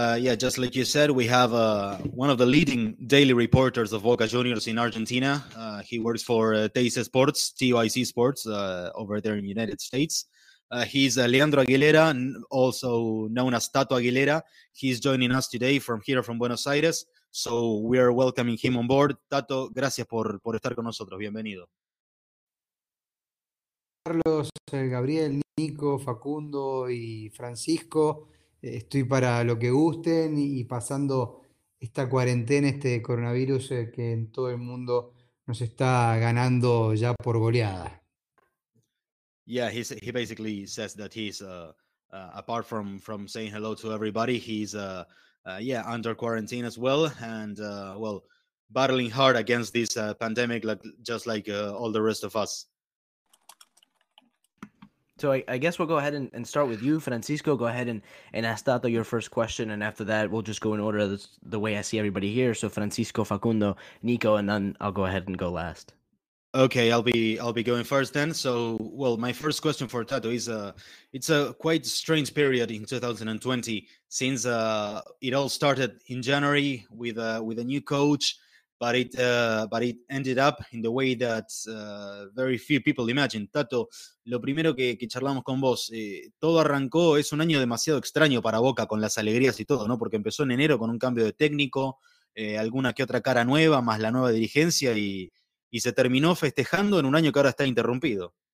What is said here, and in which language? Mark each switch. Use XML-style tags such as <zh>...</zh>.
<en>Yeah, just like you said, we have one of the leading daily reporters of Boca Juniors in Argentina. He works for TIC Sports, TYC Sports, over there in the United States. He's Leandro Aguilera, also known as Tato Aguilera. He's joining us today from here, from Buenos Aires. So we are welcoming him on board.</en> <es>Tato, gracias por estar con nosotros. Bienvenido. Carlos, Gabriel, Nico, Facundo y Francisco. Estoy para lo que gusten y pasando esta cuarentena, este coronavirus que en todo el mundo nos está ganando ya por goleada.</es> <en>Yeah, he basically says that he's apart from saying hello to everybody, he's under quarantine as well, and battling hard against this pandemic, just like all the rest of us. So I guess we'll go ahead and start with you, Francisco. Go ahead and ask Tato your first question, and after that, we'll just go in order the way I see everybody here. So Francisco, Facundo, Nico, and then I'll go ahead and go last. Okay, I'll be going first then. So, well, my first question for Tato is, it's a quite strange period in 2020, since it all started in January with a new coach, but it ended up in the way that very few people imagine.</en> <es>Tato, lo primero que charlamos con vos, todo arrancó, es un año demasiado extraño para Boca, con las alegrías y todo, ¿no? Porque empezó en enero con un cambio de técnico, alguna que otra cara nueva, más la nueva dirigencia y se terminó festejando en un año que ahora está interrumpido.</es>